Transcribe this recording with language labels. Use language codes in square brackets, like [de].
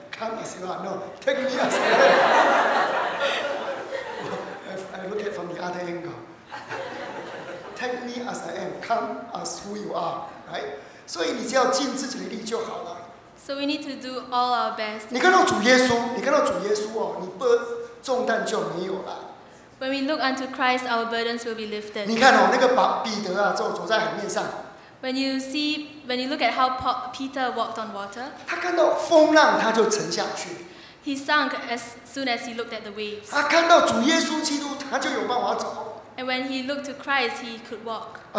[en] Come as you are. No, take me as I am. I look at it from the other angle. Take me as I am. Come as who you are. Right? [zh] 所以你只要尽自己的力就好了。 [en] So we need to do all our best. [zh] 你看到主耶稣，你看到主耶稣哦，你不重担就没有了。 [en] When we look unto Christ, our burdens will be lifted. [zh] 你看哦，那个彼得啊，走在海面上。 [en] When you look at how Peter walked on water, [zh] 他看到风浪，他就沉下去。 [en] He sunk as soon as he looked at the waves. [zh] 他看到主耶稣基督，他就有办法走。 [en] And when he looked to Christ, he could walk.